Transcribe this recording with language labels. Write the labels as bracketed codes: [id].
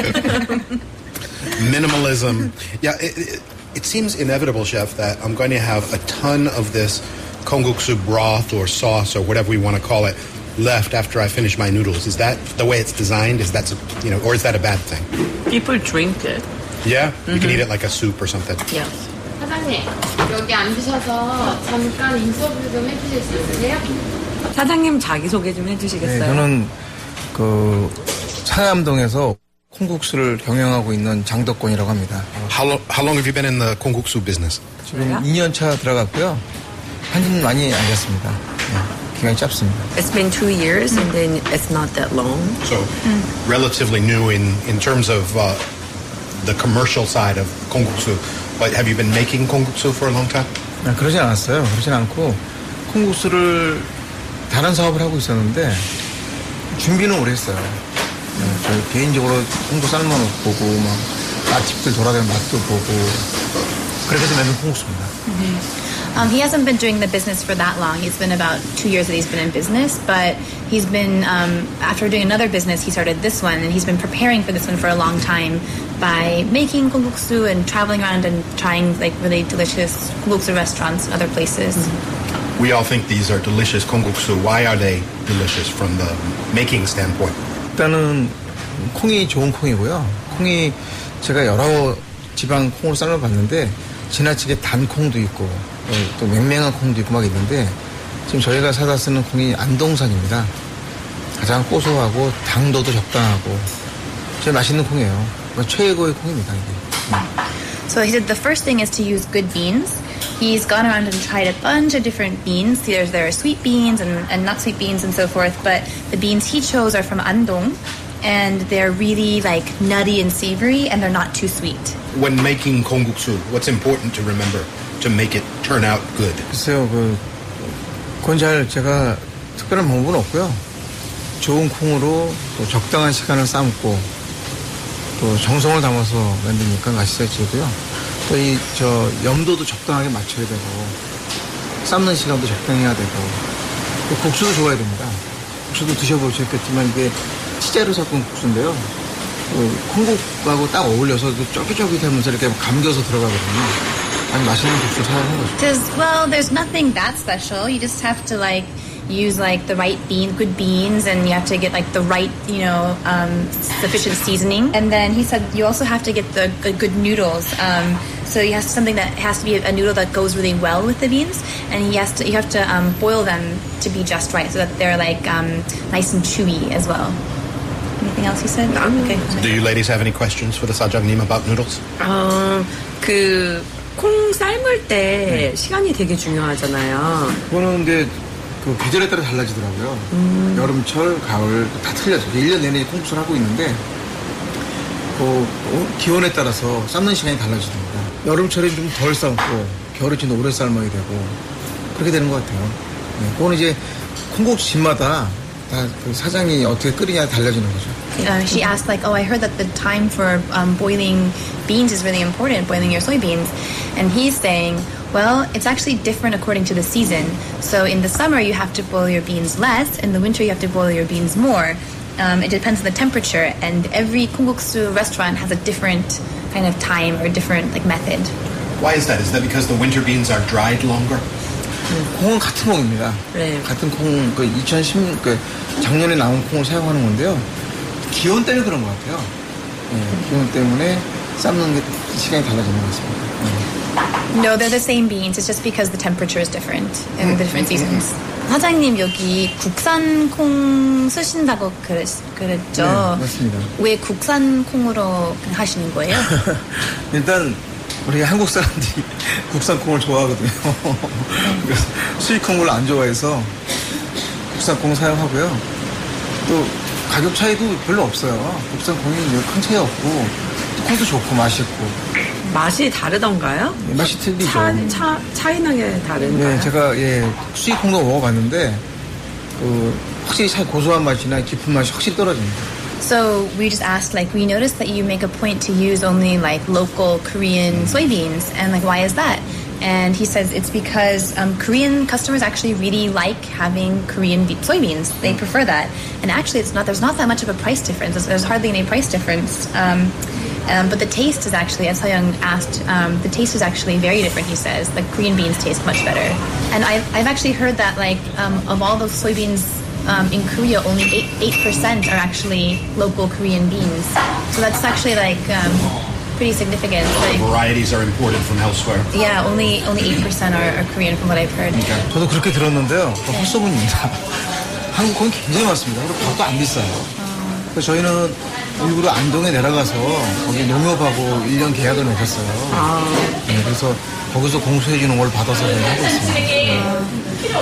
[en] Minimalism. Yeah, it seems inevitable, Chef, that I'm going to have a ton of this konguksu broth or sauce or whatever we want to call it left after I finish my noodles. Is that the way it's designed? Is that, you know, or is that a bad thing? People drink it. Yeah? Mm-hmm. You can eat it like a soup or something. Yeah. [ko] 사장님, 여기 앉으셔서 잠깐 인터뷰 좀 해주실 수 있으세요? 사장님 자기소개 좀 해주시겠어요? 네, 저는 그 상암동에서 콩국수를 경영하고 있는 장덕권이라고 합니다. [en] How long have you been in the 콩국수 business? [ko] 지금 2년 차 들어갔고요. 한진 많이 알겠습니다. 기간이 짧습니다. [en] It's been 2 years and then it's not that long. So relatively new in terms of the commercial side of 콩국수. But have you been making 콩국수 for a long time? [ko] 아, 그러지 않았어요. 그러진 않고 콩국수를 다른 사업을 하고 있었는데 준비는 오래 했어요. 저 개인적으로 콩국수 삶아 보고 막 맛집들 돌아다니는 맛도 보고 그렇게 해서 만든 콩국수입니다. Mm-hmm. [en] He hasn't been doing the business for that long. It's been about 2 years that he's been in business, but he's been after doing another business, he started this one, and he's been preparing for this one for a long time by making konguksu and traveling around and trying like really delicious konguksu restaurants other places. Mm-hmm. We all think these are delicious konguksu. Why are they delicious from the making standpoint? [ko] 일단은 콩이 좋은 콩이고요. 콩이 제가 여러 지방 콩으로 삶아봤는데 지나치게 단 콩도 있고 또 맹맹한 콩도 있고 막 있는데 지금 저희가 사다 쓰는 콩이 안동산입니다. 가장 고소하고 당도도 적당하고 제일 맛있는 콩이에요. 최고의 콩입니다. 이게. [en] So he said the first thing is to use good beans. He's gone around and tried a bunch of different beans. There are sweet beans and not sweet beans and so forth, but the beans he chose are from Andong, and they're really, like, nutty and savory, and they're not too sweet. When making konguksu, what's important to remember to make it turn out good? [ko] 글쎄요, 그건 잘 제가 특별한 방법은 없고요. 좋은 콩으로 또 적당한 시간을 삶고 또 정성을 담아서 만드니까 맛있어지고요. 또 이 저 염도도 적당하게 맞춰야 되고 삶는 시간도 적당해야 되고 또 국수도 좋아야 됩니다. 국수도 드셔보셨겠지만 이게 치즈로 섞은 국수인데요. 그 콩국하고 딱 어울려서 쫄깃쫄깃하면서 이렇게 감겨서 들어가거든요. 아니 맛있는 국수 사용하는 거죠. [en] Well, there's nothing that special. You just have to like use like the right bean, good beans, and you have to get like the right, you know, sufficient seasoning. And then he said you also have to get the good noodles. So he has something that has to be a noodle that goes really well with the beans, and you have to boil them to be just right so that they're like nice and chewy as well. Anything else he said? No. Okay. Do you ladies have any questions for the Sajangnim about noodles? [ko] 그 콩 삶을 때 네. 시간이 되게 중요하잖아요. 그거는 이제 그 계절에 따라 달라지더라고요. 여름철, 가을 다 틀려져요. 1년 내내 콩국수를 하고 있는데 그 기온에 따라서 삶는 시간이 달라집니다. 여름철에 좀 덜 삶고 겨울에 좀 오래 삶아야 되고 그렇게 되는 것 같아요. 네, 그건 이제 콩국수집마다 다 그 사장이 어떻게 끓이냐에 달라지는 거죠. [en] She asked like, oh, I heard that the time for boiling beans is really important, boiling your soybeans. And he's saying, well, it's actually different according to the season. So in the summer, you have to boil your beans less. In the winter, you have to boil your beans more. It depends on the temperature. And every konguksu restaurant has a different kind of time or different like method. Why is that? Is that because the winter beans are dried longer? [ko] 콩은 같은 콩입니다. 네. 같은 콩, 그 2016, 그 작년에 나온 콩을 사용하는 건데요. 기온 때문에 그런 것 같아요. 네, 기온 때문에 삶는 게 시간이 달라지는 것 같습니다. 네. [en] No, they're the same beans. It's just because the temperature is different in the different seasons. [ko] 사장님 여기 국산 콩 쓰신다고 그랬죠? 네, 맞습니다. 왜 국산 콩으로 하시는 거예요? 일단 우리 한국 사람들이 국산 콩을 좋아하거든요. 그래서 수입 콩을 안 좋아해서 국산 콩 사용하고요. 또 가격 차이도 별로 없어요. 국산 콩이 큰 차이 없고 콩도 좋고 맛있고. 맛이 다르던가요? 네, 맛이 틀리죠. 차이나게 다른가요? 네, 제가 예, 수입 콩도 먹어봤는데 확실히 고소한 맛이나 깊은 맛이 확실히 떨어집니다. [en] So we just asked, like, we noticed that you make a point to use only, like, local Korean soybeans. And, like, why is that? And he says it's because Korean customers actually really like having Korean soybeans. They prefer that. And actually, there's not that much of a price difference. There's hardly any price difference. But the taste is actually, as Seo-young asked, the taste is actually very different, he says. The Korean beans taste much better. And I've actually heard that, like, of all the soybeans, in Korea, only 8% are actually local Korean beans. So that's actually like pretty significant. A lot of varieties are imported from elsewhere. Yeah, only 8% are Korean from what I've heard. Okay. [ko] 저도 그렇게 들었는데요. 헛소문입니다. 한국 콩 굉장히 많습니다. 그리고 밥도 안 비싸요. 그래서 저희는 일부러 안동에 내려가서 거기 농협하고 1년 계약을 맺었어요. 네, 그래서 거기서 공수해주는 걸 받아서 하고 있습니다.